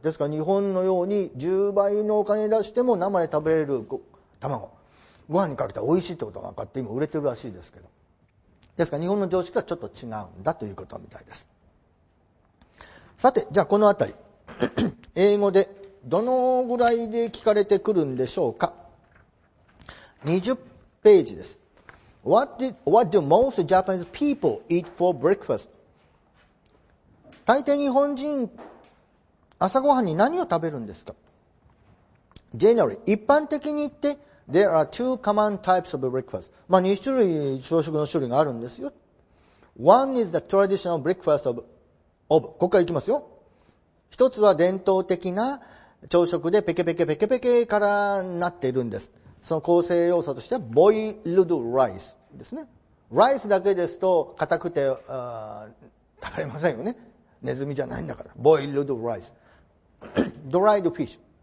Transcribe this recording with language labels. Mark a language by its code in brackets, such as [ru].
[ja] ですから日本のように10倍のお金出しても生で食べれる卵、ご飯にかけて美味しいってことが分かって今売れてるらしいですけど、ですから日本の常識はちょっと違うんだということみたいです。さて、じゃあこのあたり英語でどのぐらいで聞かれてくるんでしょうか。 20ページです。 [en] What do most Japanese people eat for breakfast? [ja] 大抵日本人朝ごはんに何を食べるんですか。 [en] Generally, [ja] 一般的に言って [en] There are two common types of breakfast、 [ja] まあ2種類朝食の種類があるんですよ。 [en] One is the traditional breakfast of OVO. [ja] ここからいきますよ。一つは伝統的な朝食でペケペケペケペケからなっているんです。その構成要素としてはボイルドライスですね。ライスだけですと硬くて食べれませんよね。ネズミじゃないんだから。ボイルドライス。ドライドフィッシュ。